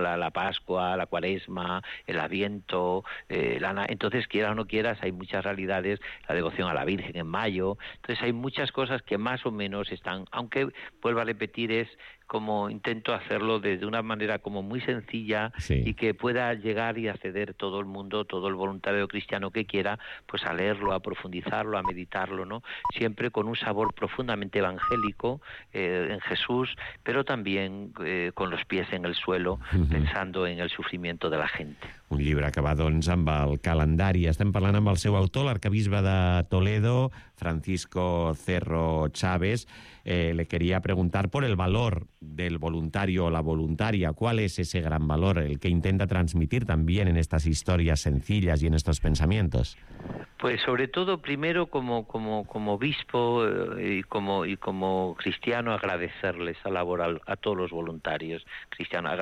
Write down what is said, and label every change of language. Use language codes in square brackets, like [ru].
[es] La Pascua, la Cuaresma, el Adviento, entonces, quieras o no quieras, hay muchas realidades, la devoción a la Virgen en mayo, entonces hay muchas cosas que más o menos están, aunque, vuelvo a repetir, es como intento hacerlo desde una manera como muy sencilla, sí, y que pueda llegar y acceder todo el mundo, todo el voluntario cristiano que quiera, pues a leerlo, a profundizarlo, a meditarlo, ¿no? Siempre con un sabor profundamente evangélico en Jesús, pero también con los pies en el suelo, pensando en el sufrimiento de la gente. [ca] Un llibre que va, doncs, amb el calendari. Estem parlant amb el seu autor, l'arcabisbe de Toledo, Francisco Cerro Chávez. [es] Le quería preguntar por el valor del voluntario o la voluntaria. ¿Cuál es ese gran valor, el que intenta transmitir también en estas historias sencillas y en estos pensamientos? Pues sobre todo, primero, como obispo y como cristiano, agradecerle esa labor a todos los voluntarios cristianos.